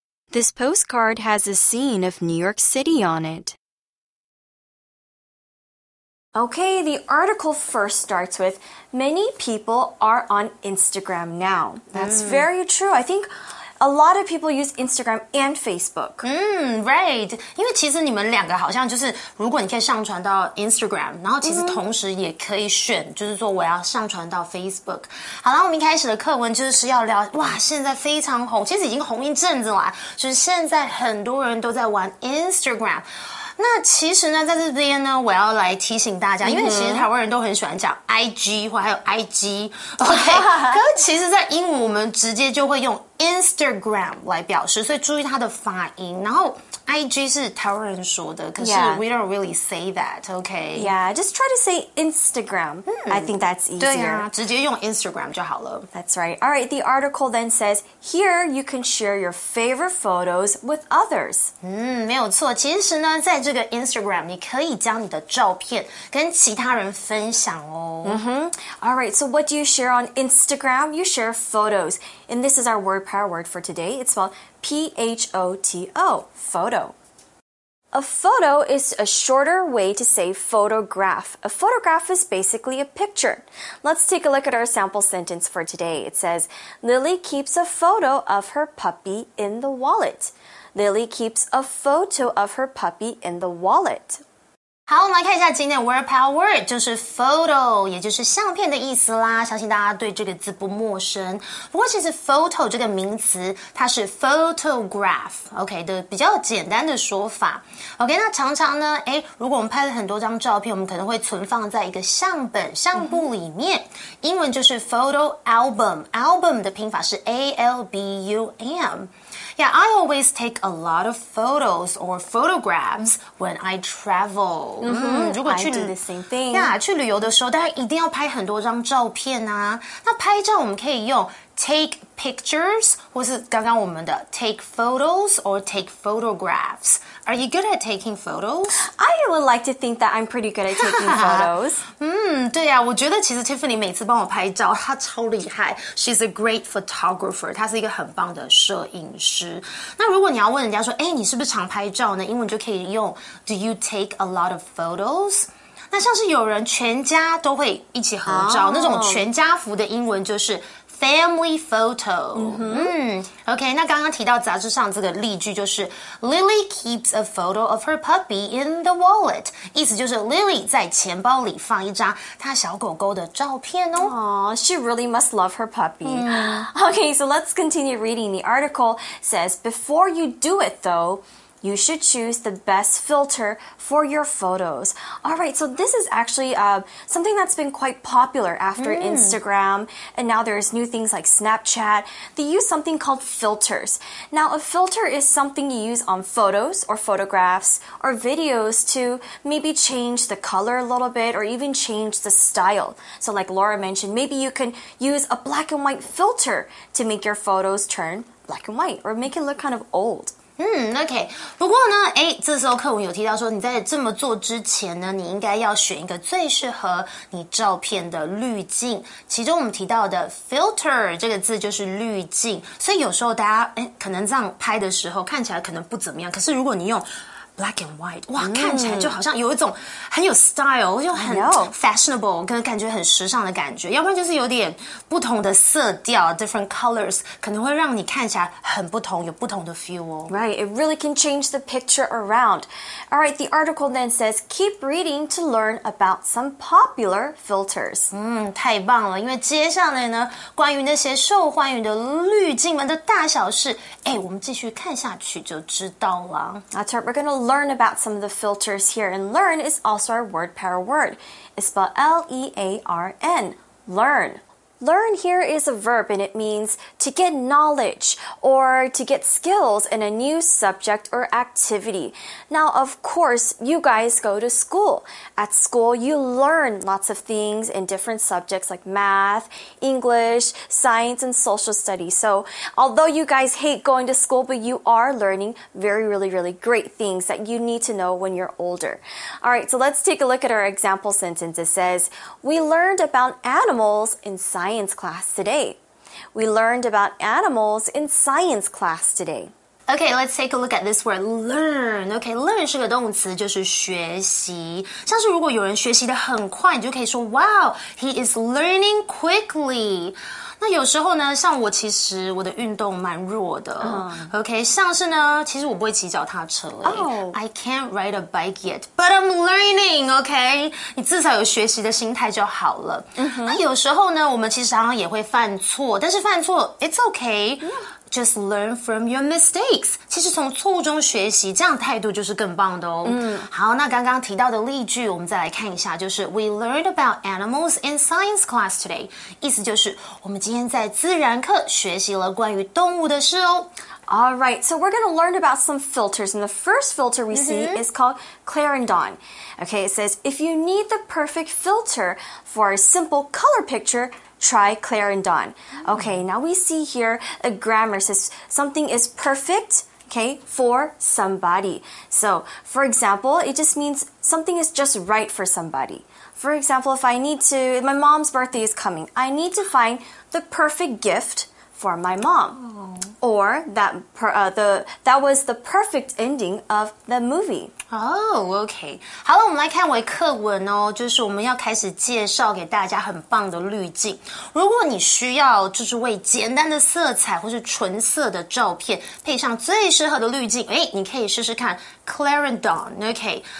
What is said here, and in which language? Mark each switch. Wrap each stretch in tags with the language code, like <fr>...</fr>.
<en>This postcard has a scene of New York City on it. Okay, the article first starts with, many people are on Instagram now. That's very true. I think A lot of people use Instagram and Facebook. Right.</en> <zh>因为其实你们两个好像就是如果你可以上传到 Instagram, 然后其实同时也可以选就是说我要上传到 Facebook. 好啦我们一开始的课文就是要聊哇现在非常红其实已经红一阵子啦就是现在很多人都在玩 Instagram. 那其实呢在这边呢我要来提醒大家因为其实台湾人都很喜欢讲 IG 或还有 IG OK 可是其实在英文我们直接就会用 Instagram 来表示所以注意它的发音然后 IG 是台湾人说的可是</zh> <en>we don't really say that</en> <zh>OK</zh> <en>Yeah just try to say Instagram、I think that's easier</en> <zh>对啊直接用 Instagram 就好了</zh> <en>That's right Alright the article then says Here you can share your favorite photos with others</en> <zh>没有错其实呢在这个 Instagram 你可以将你的照片跟其他人分享哦、</zh> <en>Alright, so what do you share on Instagram? You share photos. And this is our word power word for today. It's spelled P-H-O-T-O, photo. A photo is a shorter way to say photograph. A photograph is basically a picture. Let's take a look at our sample sentence for today. It says, Lily keeps a photo of her puppy in the wallet. Lily keeps a photo of her puppy in the wallet.</en> <zh>好我们来看一下今天的 word power word 就是 photo 也就是相片的意思啦相信大家对这个字不陌生。不过其实 photo 这个名词它是 photograph, OK, 的比较简单的说法。 OK, 那常常呢诶如果我们拍了很多张照片我们可能会存放在一个相本相簿里面。英文就是 photo album, album 的拼法是 A-L-B-U-M。</zh> <en>Yeah, I always take a lot of photos or photographs when I travel. I do the same thing.</en> <zh>Yeah, 去旅游的时候，大家一定要拍很多张照片啊。那拍照我们可以用 take pictures, 或是刚刚我们的</zh> <en>take photos or take photographs. Are you good at taking photos? I would like to think that I'm pretty good at taking photos.</en> <zh>对啊，我觉得其实 Tiffany 每次帮我拍照，她超厉害。</zh> <en>She's a great photographer.</en> <zh>她是一个很棒的摄影师。那如果你要问人家说，你是不是常拍照呢？英文就可以用</zh> <en>Do you take a lot of photos?</en> <zh>那像是有人全家都会一起合照、那种全家福的英文就是 family photo、OK 那刚刚提到杂志上这个例句就是</zh> <en>Lily keeps a photo of her puppy in the wallet</en> <zh>意思就是 Lily 在钱包里放一张她小狗狗的照片哦</zh> <en>She really must love her puppy、OK so let's continue reading The article says Before you do it thoughYou should choose the best filter for your photos. All right, so this is actually something that's been quite popular after Instagram, and now there's new things like Snapchat. They use something called filters. Now, a filter is something you use on photos or photographs or videos to maybe change the color a little bit or even change the style. So like Laura mentioned, maybe you can use a black and white filter to make your photos turn black and white or make it look kind of old.</en> <zh>OK, 不过呢这时候课文有提到说你在这么做之前呢你应该要选一个最适合你照片的滤镜。其中我们提到的 filter, 这个字就是滤镜。所以有时候大家可能这样拍的时候看起来可能不怎么样可是如果你用</zh> <en>Black and white,</en> <zh>哇、看起来就好像有一种很有 style, 就很 fashionable, 跟感觉很时尚的感觉。要不然就是有点不同的色调 different colors, 可能会让你看起来很不同有不同的 feel 哦。</zh> <en>Right, it really can change the picture around. Alright, the article then says, keep reading to learn about some popular filters.</en> <zh>太棒了因为接下来呢关于那些受欢迎的滤镜们的大小事我们继续看下去就知道了。</zh> <en>That's right, we're gonna learn about some of the filters here and learn is also our word power word. It's spelled L-E-A-R-N, learn. Learn here is a verb and it means to get knowledge or to get skills in a new subject or activity. Now of course you guys go to school. At school you learn lots of things in different subjects like math, English, science and social studies. So although you guys hate going to school but you are learning very really really great things that you need to know when you're older. Alright so let's take a look at our example sentence. It says we learned about animals in science class today. We learned about animals in science class today. Okay, let's take a look at this word, learn.</en> <zh>Okay, learn 是个动词就是学习。像是如果有人学习得很快你就可以说</zh> <en>wow, he is learning quickly.</en> <zh>那有时候呢，像我其实我的运动蛮弱的。 OK， 像是呢，其实我不会骑脚踏车。</zh> <en>I can't ride a bike yet, but I'm learning.</en> <zh>OK， 你至少有学习的心态就好了。那有时候呢，我们其实常常也会犯错，但是犯错</zh> <en>it's OK。 Just learn from your mistakes.</en> <zh>其实从错误中学习，这样态度就是更棒的哦。好，那刚刚提到的例句，我们再来看一下，就是</zh> <en>We learned about animals in science class today.</en> <zh>意思就是我们今天在自然课学习了关于动物的事哦。</zh> <en>All right, so we're going to learn about some filters. And the first filter we see is called Clarendon. Okay, it says, if you need the perfect filter for a simple color picture, try Clarendon. Okay, now we see here a grammar says something is perfect, okay, for somebody. So, for example, it just means something is just right for somebody. For example, if I need to, my mom's birthday is coming. I need to find the perfect gift for my mom. Or that was the perfect ending of the movie. OK.</en> <zh>好了，我们来看回课文哦，就是我们要开始介绍给大家很棒的滤镜。如果你需要就是为简单的色彩或是纯色的照片配上最适合的滤镜，诶，你可以试试看 Clarendon. OK.</zh>